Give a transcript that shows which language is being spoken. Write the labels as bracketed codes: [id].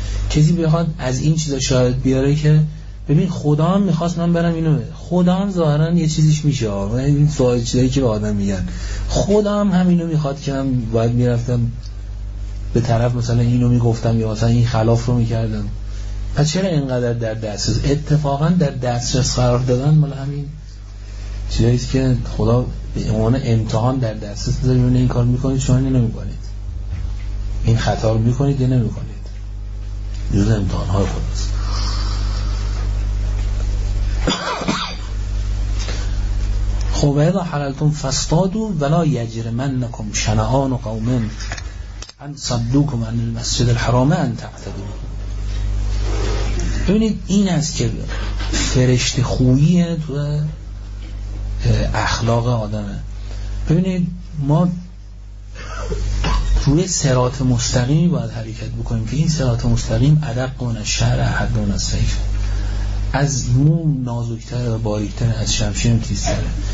[fa] کسی بخواد از این چیزا شاهد بیاره که ببین خدا هم میخواست من برم اینو، خدا هم ظاهرا یه چیزیش میشه، این سوال چیزی که به آدم میگن خدا هم همینو میخواد که من باید میرفتم به طرف مثلا اینو میگفتم یا مثلا این خلاف رو میکردم، پس چرا اینقدر در دسترس؟ اتفاقا در دسترس قرار دادن مال همین چیزیه که خدا به عنوان امتحان در دسترس میذاره. ببین این کار میکنید شما اینو میکنید، این خطا رو میکنید یا نمیکنید، جزء امتحان های خداست. [ar] خب اذا حللتم فاصطادوا ولا يجرمنكم شنآن قوم ان صدوكم عن المسجد الحرام ان تعتدوا. [fa] ببینید این است که فرشته خویی تو اخلاق آدمه. ببینید ما روی صراط مستقیم باید حرکت بکنیم که این صراط مستقیم ادق و شرع حد و نسیف، از مو نازکتر و باریکتر، از شمشیر تیزتره.